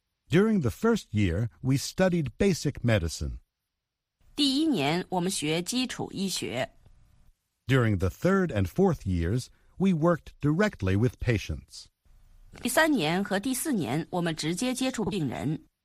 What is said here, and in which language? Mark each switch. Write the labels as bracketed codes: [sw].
[en] During the first year, we studied basic medicine. [zh] 第一年我们学基础医学。 [en] During the third and fourth years, we worked directly with patients. [zh] 第三年和第四年我们直接接触病人。